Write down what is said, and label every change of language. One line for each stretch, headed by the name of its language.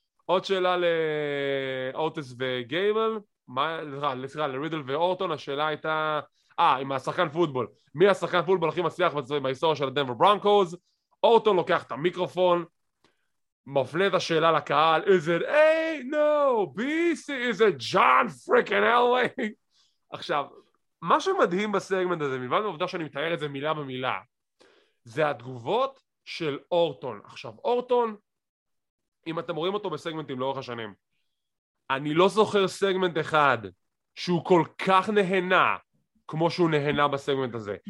Hebrew: עוד שאלה לאורטס וגייבל. סליחה, לרידל ואורטון, השאלה הייתה, עם השחקן פוטבול. מי השחקן פוטבול הכי מצליח בהיסטוריה של הדנבר ברונקוז? אורטון לוקח את המיקרופון, מפנה את השאלה לקהל,
English: is it A? No, B? Is it John freaking Elway?
Hebrew: עכשיו, מה שמדהים בסגמנט הזה, מלבד העובדה שאני מתאר את זה מילה במילה, זה התגובות של אורטון. עכשיו, אורטון, אם אתם רואים אותו בסגמנטים לאורך השנים, אני לא זוכר סגמנט אחד שהוא כל כך נהנה כמו שהוא נהנה בסגמנט הזה.